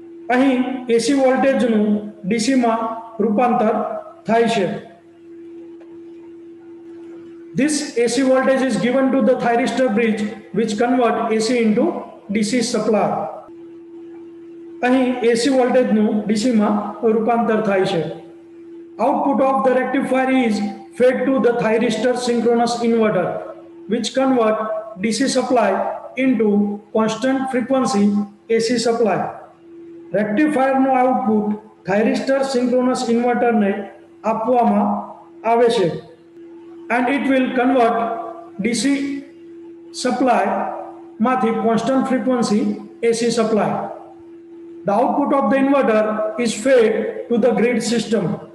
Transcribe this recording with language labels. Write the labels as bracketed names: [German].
[Gujarati] અહી AC voltage નું DC માં રૂપાંતર થાય છે. [English] This AC voltage is given to the thyristor bridge which convert AC into DC supply. [Gujarati] અહી AC વોલ્ટેજ નું ડીસી માં રૂપાંતર થાય છે. [English] Output of the rectifier is fed to the thyristor synchronous inverter which convert DC supply into constant frequency AC supply. [Gujarati] Rectifier no output થાયરિસ્ટર synchronous inverter ને આપવામાં આવે છે [English] and it will convert DC supply [Gujarati] માંથી constant frequency AC supply. [English] The output of the inverter is fed to the grid system.